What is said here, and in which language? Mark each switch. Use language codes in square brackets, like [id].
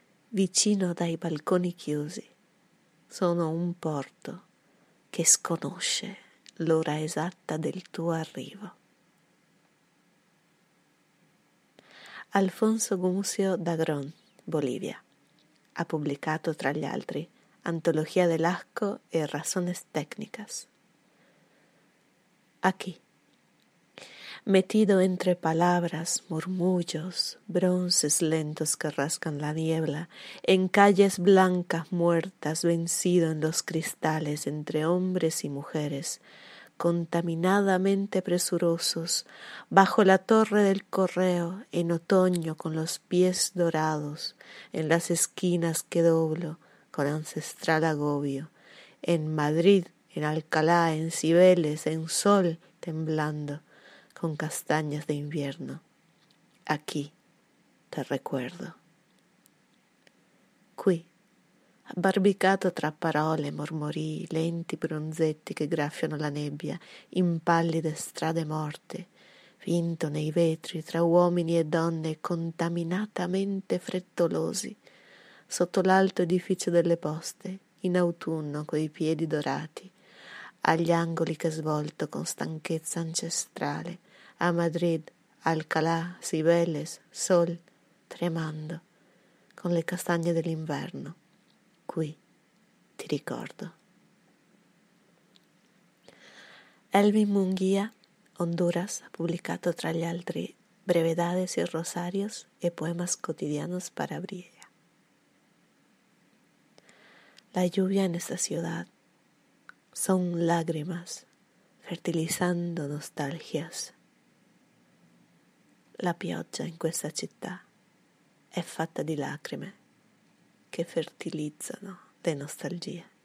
[it] Vicino dai balconi chiusi, sono un porto che sconosce l'ora esatta del tuo arrivo. Alfonso Gumucio Dagrón, Bolivia, ha pubblicato tra gli altri Antología del asco e razones técnicas. [es] Aquí, metido entre palabras, murmullos, bronces lentos que rascan la niebla, en calles blancas muertas, vencido en los cristales entre hombres y mujeres, contaminadamente presurosos, bajo la torre del correo, en otoño con los pies dorados, en las esquinas que doblo, con ancestral agobio, en Madrid, en Alcalá, en Cibeles, en sol temblando, con castañas de invierno. Aquí te recuerdo. [it] Qui, abbarbicato tra parole, mormorii, lenti bronzetti che graffiano la nebbia, in pallide strade morte, vinto nei vetri tra uomini e donne contaminatamente frettolosi, sotto l'alto edificio delle poste, in autunno coi piedi dorati, agli angoli che svolto con stanchezza ancestrale, a Madrid, Alcalá, Cibeles, sol, tremando, con le castagne dell'inverno, qui ti ricordo. Elvin Munguía, Honduras, ha pubblicato tra gli altri Brevedades y Rosarios e Poemas cotidianos para abrir. [es] La lluvia en esta ciudad son lágrimas fertilizando nostalgias. [it] La pioggia in questa città è fatta di lacrime che fertilizzano le nostalgie.